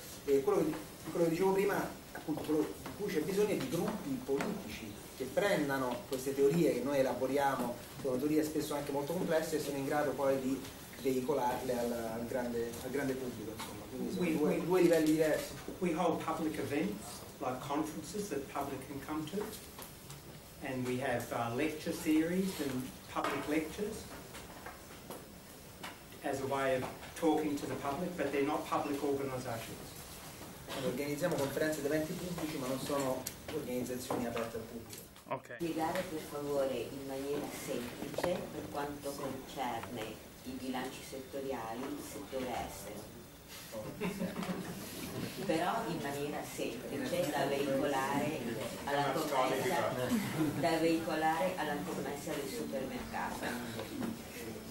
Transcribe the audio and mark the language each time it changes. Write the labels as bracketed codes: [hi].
[it] E quello che dicevo prima, appunto, quello di cui c'è bisogno è di gruppi politici che prendano queste teorie che noi elaboriamo, sono teorie spesso anche molto complesse, e sono in grado poi di veicolarle al grande pubblico, insomma. Quindi sono due livelli diversi. [en] We hold public events like conferences that the public can come to, and we have lecture series and public lectures as a way of talking to the public, but they're not public organisations. [it] Organizziamo conferenze ed eventi pubblici, ma non sono organizzazioni aperte al pubblico. [en] Okay. [it] Spiegare per favore in maniera semplice per quanto concerne i bilanci settoriali, il settore estero. Però in maniera semplice da veicolare alla commessa del supermercato.